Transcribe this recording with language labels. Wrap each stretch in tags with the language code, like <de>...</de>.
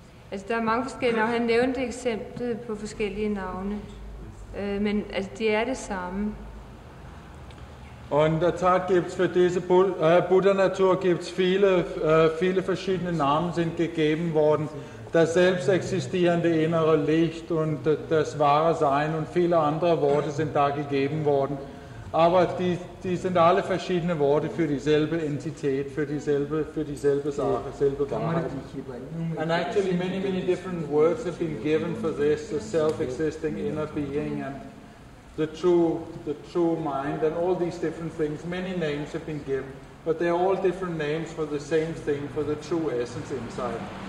<da>Altså, der er mange forskellige navne. Han nævnte eksemplet på forskellige navne. Men altså, de er det samme.</da> <de>Und der Tag gibt es für diese Buddha-natur gibt es viele verschiedene Namen sind gegeben worden. Das selbst existierende innere Licht und das wahre Sein und viele andere Worte sind da gegeben worden. Aber die sind alle verschiedene Worte für dieselbe Entität, für dieselbe Sache, dieselbe Wahrheit.</de> <en>And actually many, many different words have been given for this, the self-existing inner being and the true mind and all these different things. Many names have been given, but they're all different names for the same thing, for the true essence inside.</en>